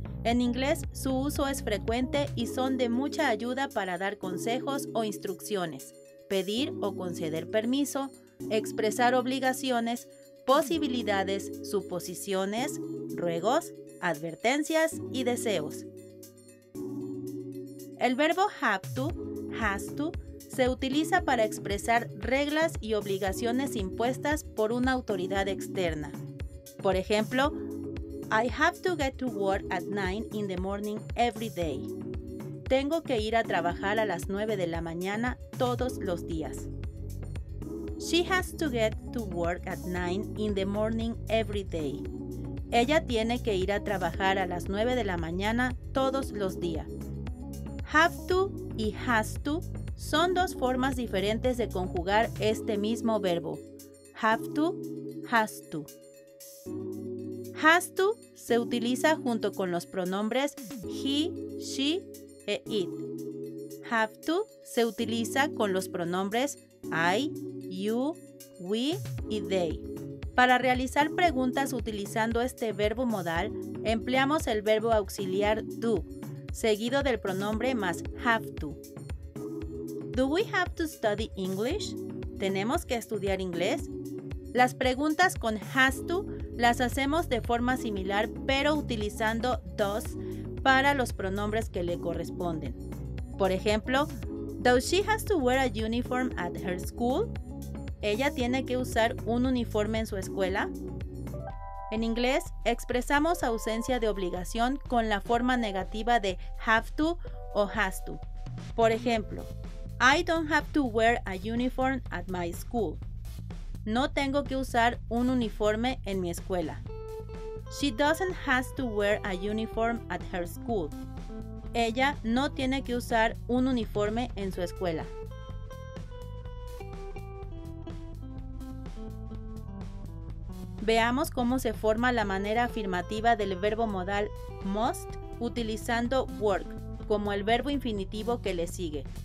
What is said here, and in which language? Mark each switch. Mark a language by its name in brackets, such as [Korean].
[Spanish] En inglés su uso es frecuente y son de mucha ayuda para dar consejos o instrucciones, pedir o conceder permiso, expresar obligaciones, posibilidades, suposiciones, ruegos, advertencias y deseos. El verbo have to, has to, se utiliza para expresar reglas y obligaciones impuestas por una autoridad externa. Por ejemplo, [English] I have to get to work at 9 in the morning every day. [Spanish] Tengo que ir a trabajar a las 9 de la mañana todos los días. [English] She has to get to work at 9 in the morning every day. [Spanish] Ella tiene que ir a trabajar a las 9 de la mañana todos los días. Have to y has to son dos formas diferentes de conjugar este mismo verbo. Have to, has to. Has to se utiliza junto con los pronombres he, she e it. Have to se utiliza con los pronombres I, you, we y they. Para realizar preguntas utilizando este verbo modal, empleamos el verbo auxiliar do, seguido del pronombre más have to. [English] Do we have to study English? [Spanish] ¿Tenemos que estudiar inglés? Las preguntas con has to las hacemos de forma similar, pero utilizando does para los pronombres que le corresponden. Por ejemplo, [English] does she has to wear a uniform at her school? [Spanish] ¿Ella tiene que usar un uniforme en su escuela? En inglés, expresamos ausencia de obligación con la forma negativa de have to o has to. Por ejemplo, [English] I don't have to wear a uniform at my school. [Spanish] No tengo que usar un uniforme en mi escuela. [English] She doesn't has to wear a uniform at her school. [Spanish] Ella no tiene que usar un uniforme en su escuela. Veamos cómo se forma la manera afirmativa del verbo modal must utilizando work como el verbo infinitivo que le sigue.